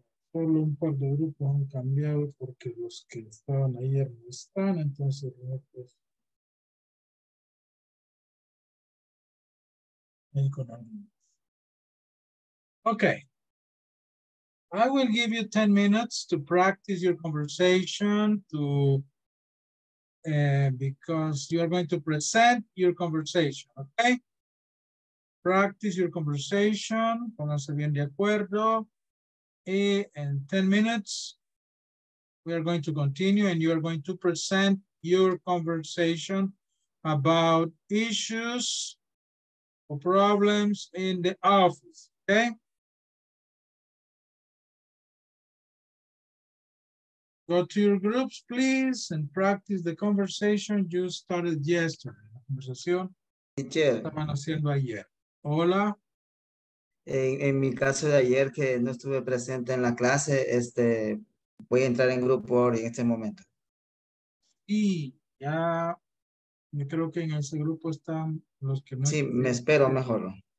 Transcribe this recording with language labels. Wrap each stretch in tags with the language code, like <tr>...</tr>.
<es>Solo un par de grupos han cambiado porque los que estaban ayer no están, entonces no, pues, okay.</es> <en>I will give you 10 minutes to practice your conversation to because you are going to present your conversation, okay? Practice your conversation,</en> <es>pónganse bien de acuerdo.</es> <en>And 10 minutes, we are going to continue and you are going to present your conversation about issues or problems in the office, okay? Go to your groups, please, and practice the conversation you started yesterday.</en> <es>La conversación. Estaban haciendo ayer. Hola. En mi caso de ayer, que no estuve presente en la clase, voy a entrar en grupo en este momento. Y ya, yo creo que en ese grupo están los que no. Sí, me espero mejor.</es>